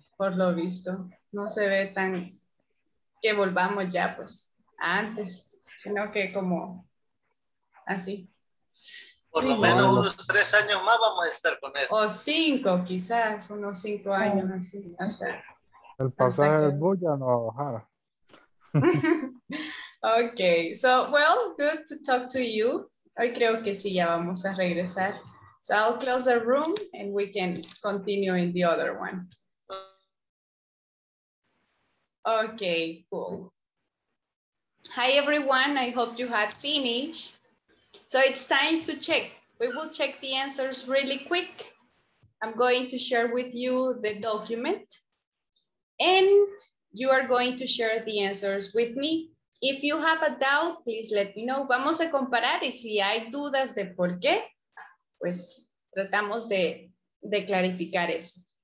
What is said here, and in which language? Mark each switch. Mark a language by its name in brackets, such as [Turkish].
[Spanish] Por lo visto, no se ve tan que volvamos ya pues antes, sino que como así. Por lo menos unos 3 años más vamos a estar con eso. O 5, quizás, unos 5 años así. Hasta, el pasaje del bus ya no va a bajar. [English] Ok, so, well, good to talk to you. [Spanish] Hoy creo que sí ya vamos a regresar. [English] So I'll close the room and we can continue in the other one. Okay, cool. Hi everyone, I hope you have finished. So it's time to check. We will check the answers really quick. I'm going to share with you the document and you are going to share the answers with me. If you have a doubt, please let me know. [Spanish] Vamos a comparar y si hay dudas de por qué, pues tratamos de clarificar eso.